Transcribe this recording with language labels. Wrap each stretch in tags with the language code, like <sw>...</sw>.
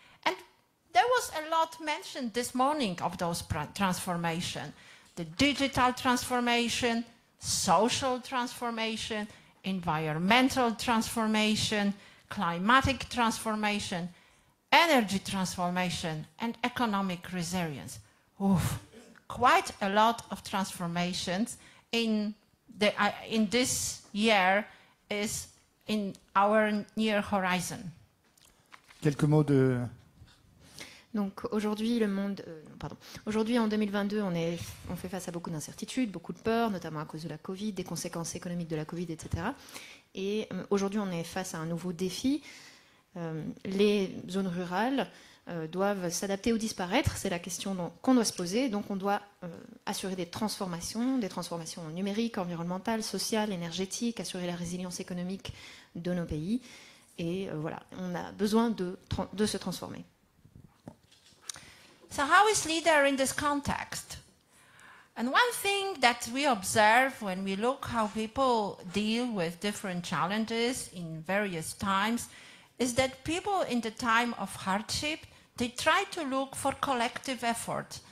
<en>And there was a lot mentioned this morning of those transformation, the digital transformation, social transformation, environmental transformation, climatic transformation, energy transformation, and economic resilience. Oof, quite a lot of transformations in this year is in our near horizon.</en> <fr>Quelques mots de... Donc aujourd'hui, le monde, aujourd'hui en 2022, on fait face à beaucoup d'incertitudes, beaucoup de peurs, notamment à cause de la Covid, des conséquences économiques de la Covid, etc. Et aujourd'hui, on est face à un nouveau défi. les zones rurales doivent s'adapter ou disparaître. C'est la question qu'on doit se poser. Donc on doit assurer des transformations numériques, environnementales, sociales, énergétiques, assurer la résilience économique de nos pays. Et voilà, on a besoin de se transformer.</fr> <en>So how is leader in this context? And one thing that we observe when we look how people deal with different challenges in various times is that people in the time of hardship, they try to look for collective effort.</en>